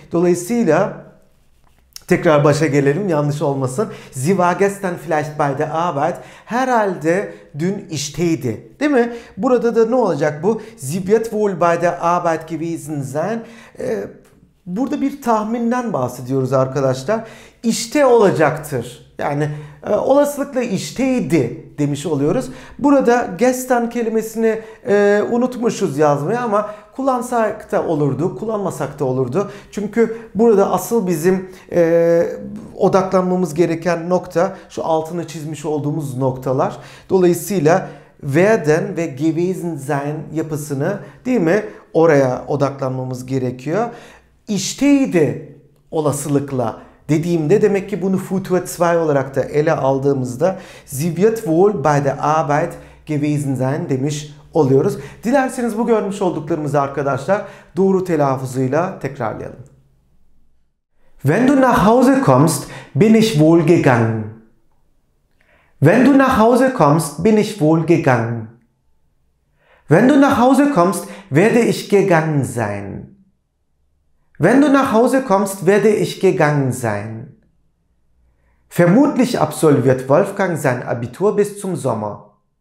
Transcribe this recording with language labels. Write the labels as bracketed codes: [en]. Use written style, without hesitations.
[tr] Dolayısıyla tekrar başa gelelim, yanlış olmasın. [de] Sie war gestern vielleicht bei der Arbeit. [tr] Herhalde dün işteydi, değil mi? Burada da ne olacak bu? [de] Sie wird wohl bei der Arbeit gewesen sein. [tr] Burada bir tahminden bahsediyoruz arkadaşlar. İşte olacaktır. Yani olasılıkla işteydi demiş oluyoruz. Burada gestern kelimesini unutmuşuz yazmayı ama kullansak da olurdu, kullanmasak da olurdu. Çünkü burada asıl bizim odaklanmamız gereken nokta şu altını çizmiş olduğumuz noktalar. Dolayısıyla werden ve gewesen sein yapısını, değil mi, oraya odaklanmamız gerekiyor. İşteydi olasılıkla dediğimde, demek ki bunu Futur 2 olarak da ele aldığımızda [de] Sie wird wohl bei der Arbeit gewesen sein [tr] demiş oluyoruz. Dilerseniz bu görmüş olduklarımızı arkadaşlar doğru telaffuzuyla tekrarlayalım. [de] Wenn du nach Hause kommst, bin ich wohl gegangen. Wenn du nach Hause kommst, bin ich wohl gegangen. Wenn du nach Hause kommst, werde ich gegangen sein. Wenn du nach Hause kommst, werde ich gegangen sein. Vermutlich absolviert Wolfgang sein Abitur bis zum Sommer.